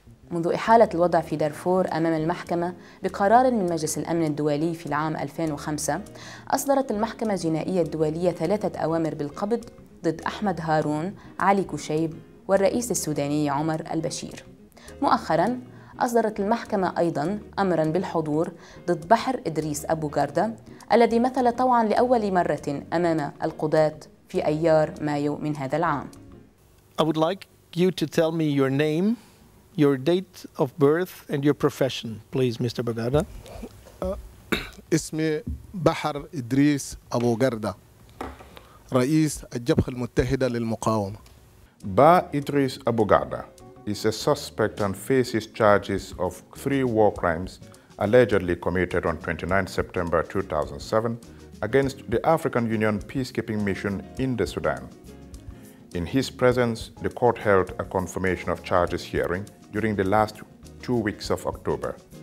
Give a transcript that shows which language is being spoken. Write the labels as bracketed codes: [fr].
[ar] منذ إحالة الوضع في دارفور أمام المحكمة بقرار من مجلس الأمن الدولي في العام 2005، أصدرت المحكمة الجنائية الدولية ثلاثة أوامر بالقبض ضد أحمد هارون، علي كشيب، والرئيس السوداني عمر البشير. مؤخراً أصدرت المحكمة أيضاً أمراً بالحضور ضد بحر إدريس أبو جردة، الذي مثل طوعاً لأول مرة أمام القضاة في أيار مايو من هذا العام. [en] I would like you to tell me your name, your date of birth, and your profession, please, Mr. Bagada. [ar] اسمي بحر إدريس أبو جردة، رئيس الجبهة المتحدة للمقاومة. [en] با إدريس أبو جردة is a suspect and faces charges of three war crimes allegedly committed on 29 September 2007 against the African Union peacekeeping mission in the Sudan. In his presence, the court held a confirmation of charges hearing during the last 2 weeks of October.